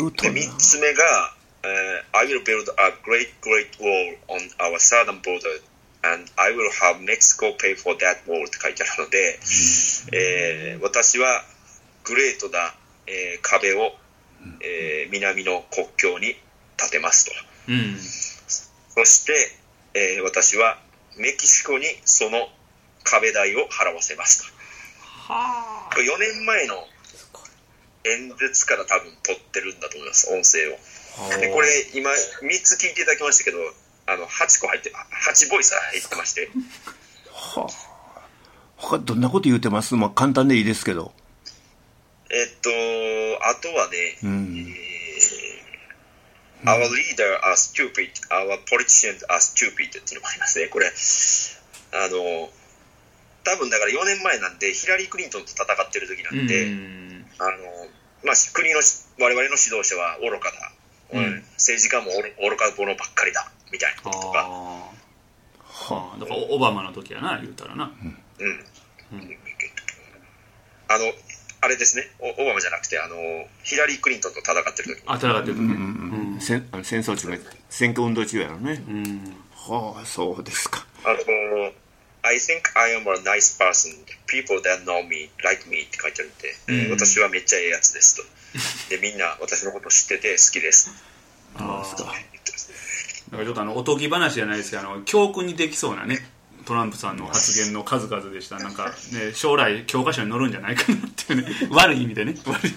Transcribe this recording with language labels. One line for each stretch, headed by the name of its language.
English: 三つ目が、I will build a great great wall on our southern borderAnd I will have Mexico pay for that wall
Japanese: って書いてあるので、私はグレートな、壁を、南の国境に建てますと、うん、そして、私はメキシコにその壁代を払わせますと。はあ、4年前の演説から多分撮ってるんだと思います、音声を。でこれ今3つ聞いていただきましたけど、あの8個入って、8ボイス入ってまして、はあ、他どんなこと言ってます？まあ、簡単でいいですけど、あとはね、うん、
English: Our leader are stupid, our politicians are stupid
Japanese: っていうのもありますね。これあの多分だから4年前なんで、ヒラリー・クリントンと戦ってる時なんで、うん、あのまあ、国の我々の指導者は愚かだ、うん、政治家も愚か者ばっかりだみたいなこととか、はあ、だからオバマの時やな、言うたらな、うん、あのあれですね、オバマじゃなくてあのヒラリー・クリントンと戦ってる時、あ、戦ってる、うんうんうん、戦争中、選挙運動中やろね、うん、はあ、そうですか。
English: あの I think I am a nice person. People that know me like me
Japanese: って書いてあるんで、うん、私はめっちゃええやつですと、でみんな私のこと知ってて好きですあーすか。なんかちょっとあのおとぎ話じゃないですけど、あの教訓にできそうなね、トランプさんの発言の数々でした。なんか、ね、将来教科書に載るんじゃないかなっていうね、悪い意味でね、悪い意